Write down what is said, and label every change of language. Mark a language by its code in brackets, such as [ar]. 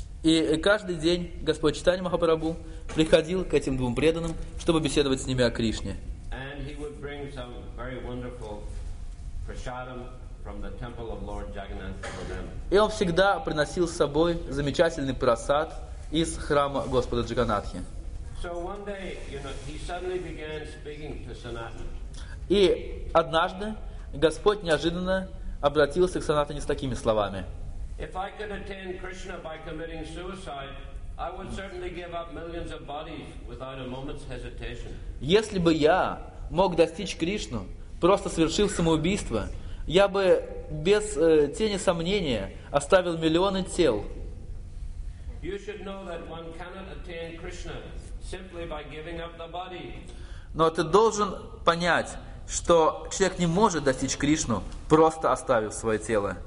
[ru] И каждый день Господь Чайтанья Махапрабху приходил к этим двум преданным, чтобы беседовать с ними о Кришне. [en] And he would bring some very wonderful prasadam from the temple of Lord Jagannath for them. [ru] И он всегда приносил с собой замечательный прасад из храма Господа Джаганатхи. [en] So one day, you know, he suddenly began speaking to Sanatana. [ru] И однажды Господь неожиданно обратился к Санатане с такими словами: [en] if I could attain Krishna by committing suicide, I would certainly give up millions of bodies without a moment's hesitation. [ru] Если бы я мог достичь Кришну, просто совершив самоубийство, я бы без тени сомнения оставил миллионы тел. [en] You should know that one cannot attain Krishna simply by giving up the body. [ru] Но ты должен понять, что человек не может достичь Кришну, просто оставив свое тело.